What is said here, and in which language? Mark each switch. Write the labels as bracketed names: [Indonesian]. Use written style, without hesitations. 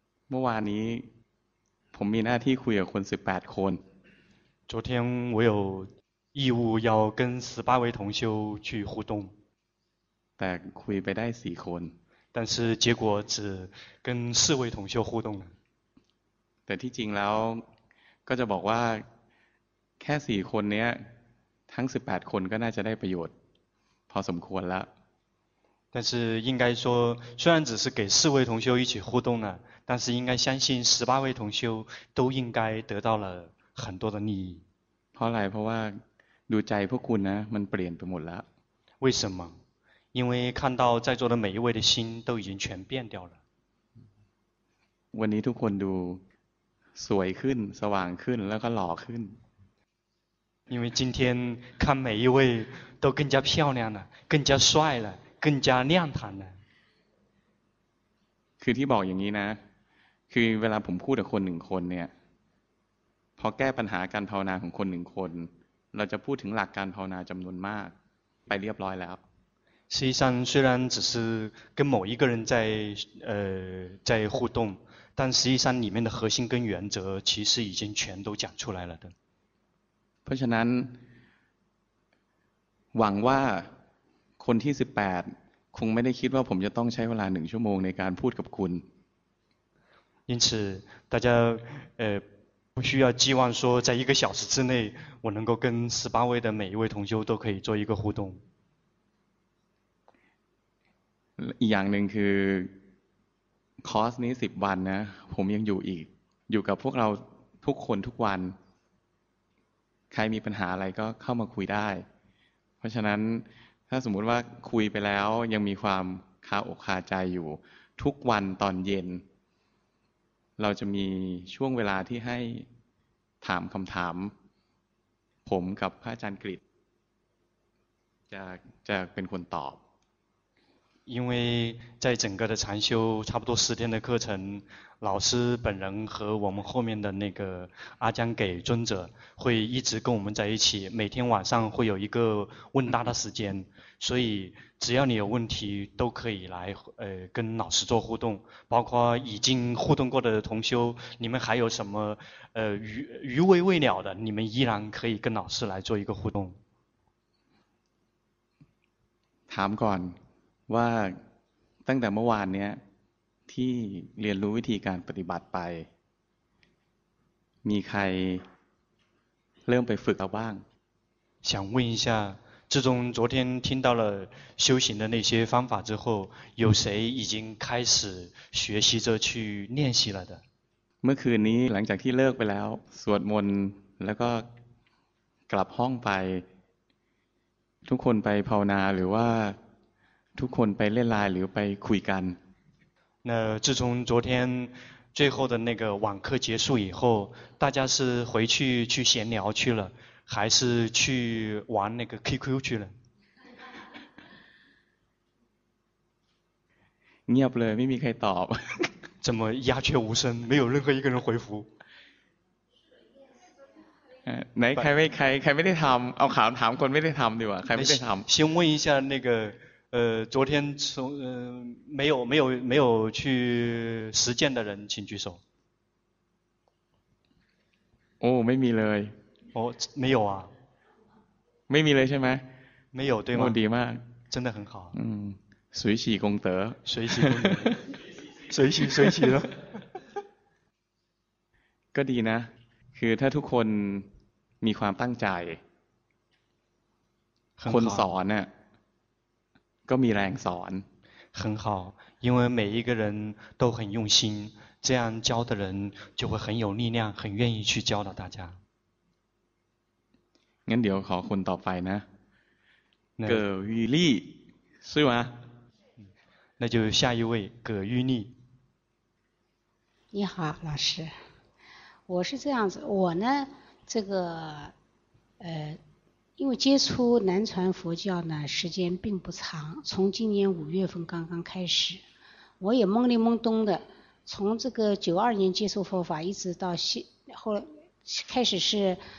[Thai] เมื่อวานนี้ผมมีหน้าที่คุยกับคน18คน [Chinese] 昨天我有义务要跟18位同修去互动， [Thai] แต่คุยไปได้4คน [Chinese] 但是结果只跟4位同修互动了。 [Thai] แต่ที่จริงแล้วก็จะบอกว่าแค่4คนเนี้ยทั้ง18คนก็น่าจะได้ประโยชน์พอสมควรแล้ว [Chinese] 但是应该说，虽然只是给4位同修一起互动了，但是应该相信18位同修都应该得到了很多的利益。 [Thai] เพราะอะไรเพราะว่าดูใจพวกคุณนะมันเปลี่ยนไปหมดแล้ว [Chinese] 为什么？因为看到在座的每一位的心都已经全变掉了。 [Thai] วันนี้ทุกคนดูสวยขึ้นสว่างขึ้นแล้วก็หล่อขึ้น [Chinese] 因为今天看每一位都更加漂亮了，更加帅了，更加亮堂了。 [Thai] คือที่บอกอย่างนี้นะคือเวลาผมพูดกับคนหนึ่งคนเนี่ยพอแก้ปัญหาการภาวนาของคนหนึ่งคนเราจะพูดถึงหลักการภาวนาจำนวนมากไปเรียบร้อยแล้ว [Chinese] 实际上虽然只是跟某一个人在在互动，但实际上里面的核心跟原则其实已经全都讲出来了的。 [Thai] เพราะฉะนั้นหวังว่าคนที่18คงไม่ได้คิดว่าผมจะต้องใช้เวลา1ชั่วโมงในการพูดกับคุณ [Chinese] 因此大家不需要寄望说在一个小时之内我能够跟18位的每一位同修都可以做一个互动 [Thai] อีกอย่างหนึ่งคือคอร์สนี้10วันนะผมยังอยู่อีกอยู่กับพวกเราทุกคนทุกวันใครมีปัญหาอะไรก็เข้ามาคุยได้เพราะฉะนั้นถ้าสมมุติว่าคุยไปแล้วยังมีความคาอกคาใจอยู่ทุกวันตอนเย็นเราจะมีช่วงเวลาที่ให้ถามคำถามผมกับพระอาจารย์กฤตจะเป็นคนตอบ [Chinese] 因为在整个的禅修差不多十天的课程老师本人和我们后面的那个阿江给尊者会一直跟我们在一起每天晚上会有一个问答的时间所以只要你有问题都可以来跟老师做互动包括已经互动过的同修你们还有什么余味未了的你们依然可以跟老师来做一个互动 [Thai] ถามก่อนว่าตั้งแต่เมื่อวานเนี้ยที่เรียนรู้วิธีการปฏิบัติไปมีใครเริ่มไปฝึกเอาบ้าง [Chinese] 想问一下自从昨天听到了修行的那些方法之后有谁已经开始学习着去练习了的 [Thai] เมื่อคืนนี้หลังจากที่เลิกไปแล้วสวดมนต์แล้วก็กลับห้องไปทุกคนไปภาวนาหรือว่าทุกคนไปเล่นไลน์หรือไปคุยกัน [Chinese] 那自从昨天最后的那个网课结束以后大家是回去去闲聊去了还是去玩那个 QQ 去了 [Thai] เงียบเลยไม่มีใครตอบ [Chinese] 怎么鸦雀无声没有任何一个人回复 [Thai] ไหนใครไม่ใครไม่ได้ทำเอาถามถามคนไม่ได้ทำดีกว่าใครไม่ได้ทำ [Chinese] 先问一下那个昨天从没有去实践的人，请举手。哦，没 [Thai] มีเลย。 [Chinese] 哦，没有啊。 [Thai] ไม่มีเลยใช่ไหม？ [Chinese] 没有对吗？ [Thai] ดีมาก。 [Chinese] 真的很好。嗯，随喜功德。随喜功德。随喜随喜了。 [Thai] ก็ดีนะ，คือถ้าทุกคนมีความตั้งใจ，คนสอนเนี่ยก็มีแรงสอน [Chinese] 很好因为每一个人都很用心这样教的人就会很有力量很愿意去教导大家 [Thai] งั้นเดี๋ยวขอคนต่อไปนะเกิดวิลี่ใช่ไหม [Chinese] 那就下一位葛玉丽你好老师我是这样子我呢这个因为接触南传佛教呢时间并不长从今年五月份刚刚开始我也懵里懵懂的从这个92年接触佛法一直到后开始是